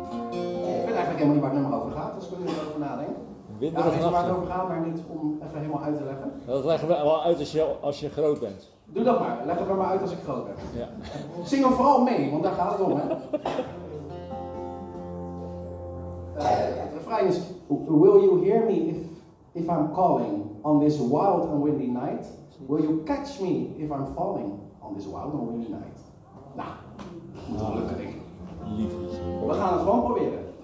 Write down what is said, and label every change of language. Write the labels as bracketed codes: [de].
[nl] Ik weet eigenlijk helemaal niet waar het nummer over gaat, dus ik wil er over nadenken. Winderig nachtje. Ja, weet je waar het over gaat, maar niet om even helemaal uit te leggen. Dat leggen we wel uit als je groot bent. Doe dat maar, leg het maar uit als ik groot ben. Ja. Zing hem vooral mee, want daar gaat het om, hè. De vraag is, [en] will you hear me if I'm calling on this wild and windy night? Will you catch me if I'm falling on this wild and windy night? [nl] Nou, dat moet wel lukken, denk ik. Liefde. We gaan het gewoon proberen.